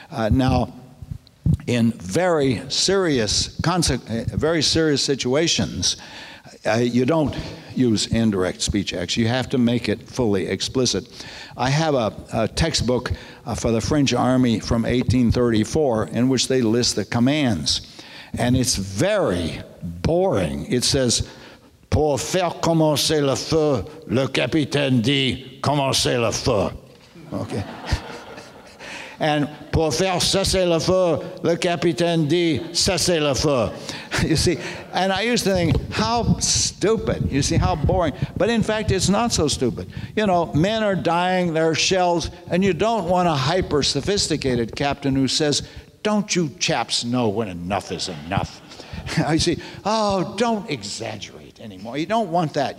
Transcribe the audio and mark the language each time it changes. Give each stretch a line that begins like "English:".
English: Now, in very serious situations, you don't use indirect speech acts. You have to make it fully explicit. I have a textbook for the French Army from 1834 in which they list the commands. And it's very boring. It says,
French: pour faire commencer le feu, le capitaine dit commencer le feu. Okay. And pour faire cesser le feu, le capitaine dit cesser le feu.
English: You see, and I used to think, how stupid. You see, how boring. But in fact, it's not so stupid. You know, men are dying, there are shells, and you don't want a hyper-sophisticated captain who says, don't you chaps know when enough is enough? You see, oh, don't exaggerate anymore. You don't want that.